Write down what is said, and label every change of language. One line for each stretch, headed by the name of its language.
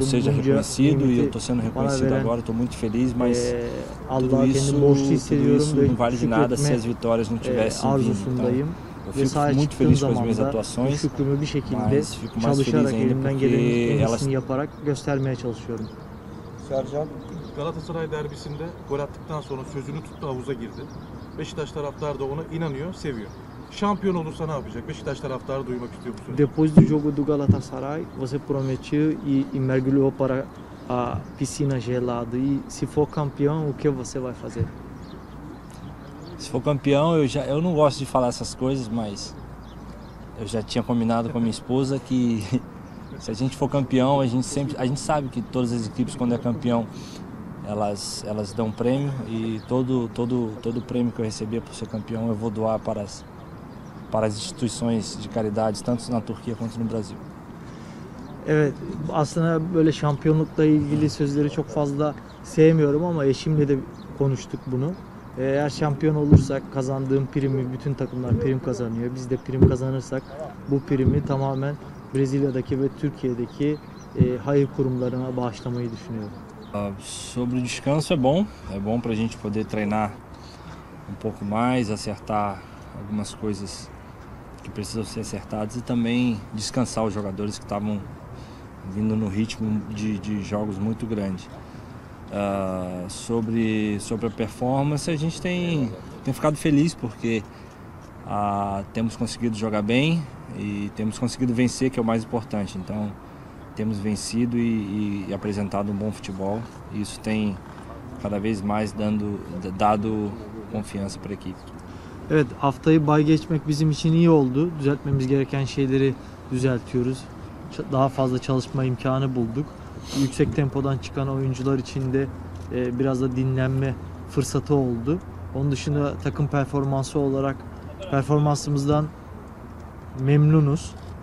Portuguese: Eu seja reconhecido e eu tô sendo reconhecido agora, tô muito feliz, mas
Turkish: Allah'a
Portuguese: tudo isso, não vale de nada
Turkish: etme,
Portuguese: se as vitórias não tivessem vindo. Então, eu fico muito feliz com as minhas atuações,
Turkish: bir şekilde,
Portuguese: mas fico mais feliz ainda porque elas...
Turkish: yaparak göstermeye çalışıyorum. Sercan, Galatasaray derbisinde gol attıktan sonra sözünü tuttu, havuza girdi. Beşiktaş taraftar da ona inanıyor, seviyor. Şampiyon olursa ne yapacak? Beşiktaş taraftarı duymak istiyor musun?
Portuguese: Depois do jogo do Galatasaray, você prometeu e mergulhou para a piscina gelada. E se for campeão, o que você vai fazer? Se for campeão, eu não gosto de falar essas coisas, mas eu já tinha combinado com a minha esposa que se a gente for campeão, a gente sabe que todas as equipes quando é campeão, elas dão prêmio e todo prêmio que eu receber por ser campeão, eu vou doar para as instituições de caridade, tanto na Turquia quanto no Brasil.
Turkish: Evet, aslında böyle şampiyonlukla ilgili sözleri çok fazla sevmiyorum ama eşimle de konuştuk bunu. Eğer şampiyon olursak kazandığım primi, bütün takımlar prim kazanıyor. Biz de prim kazanırsak bu primi tamamen Brezilya'daki ve Türkiye'deki hayır kurumlarına bağışlamayı düşünüyorum.
Portuguese: Sobre o descanso é bom pra gente poder treinar um pouco mais, acertar algumas coisas que precisam ser acertadas e também descansar os jogadores que estavam vindo no ritmo de jogos muito grande. Sobre a performance, a gente tem ficado feliz porque temos conseguido jogar bem e temos conseguido vencer, que é o mais importante. Então, temos vencido e apresentado um bom futebol e isso tem cada vez mais dado confiança para a equipe.
Turkish: Evet, haftayı bay geçmek bizim için iyi oldu. Düzeltmemiz gereken şeyleri düzeltiyoruz. Daha fazla çalışma imkanı bulduk. Yüksek tempodan çıkan oyuncular için de biraz da dinlenme fırsatı oldu. Onun dışında takım performansı olarak performansımızdan memnunuz.